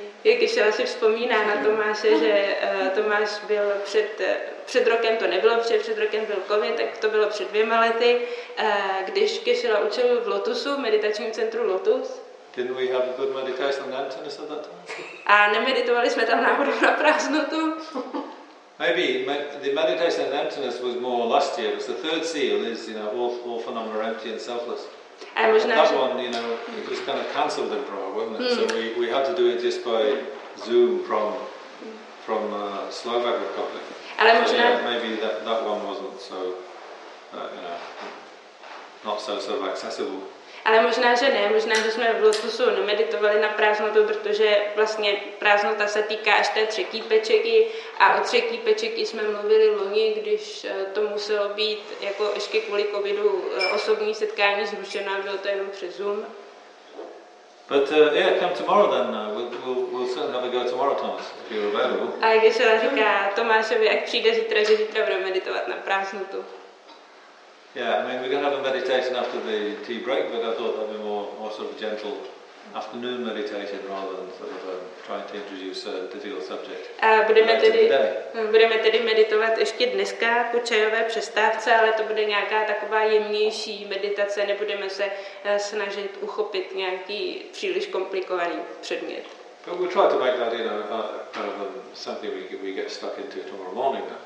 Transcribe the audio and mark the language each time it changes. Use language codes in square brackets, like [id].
[cs] Jak ještě asi vzpomíná na Tomáše, že Tomáš byl před rokem, to nebylo před rokem byl COVID, tak to bylo před 2 lety, když Kešila učil v Lotusu, meditačním centru Lotus. [en] Didn't we have a good meditation on emptiness at that time? [cs] A nemeditovali jsme tam náhodou na prázdnotu. [en] Maybe the meditation on emptiness was more last year. It was the third seal, is, you know, all phenomena are empty and selfless. [cs] Možná, [en] that one, you know, it was kind of cancelled in Prague, wasn't it? So we had to do it just by Zoom from Slovak Republic. [cs] Ale možná, [en] so, yeah, maybe that one wasn't so, you know, not so sort of accessible. [cs] Ale možná, že ne, možná, že jsme v Lotusu nemeditovali na prázdnotu, protože vlastně prázdnota se týká až té třetí pečeky a o třetí pečeky jsme mluvili loni, když to muselo být jako ještě kvůli covidu osobní setkání zrušeno a bylo to jenom přes Zoom. [en] But yeah, come tomorrow then. We'll certainly have a go tomorrow, Thomas, if you're available. [cs] A jak se dá říká Tomášovi, jak přijde zítra, že zítra budeme meditovat na prázdnotu. [en] Yeah, I mean, we're going to have a meditation after the tea break, but I thought that'd be more sort of gentle afternoon meditation rather than sort of trying to introduce a difficult subject. [cs] Budeme tedy meditovat ještě dneska po čajové přestávce, ale to bude nějaká taková jemnější meditace, nebudeme se snažit uchopit nějaký příliš komplikovaný předmět. [en] But we'll try to make that, you know, kind of something we get stuck into tomorrow morning.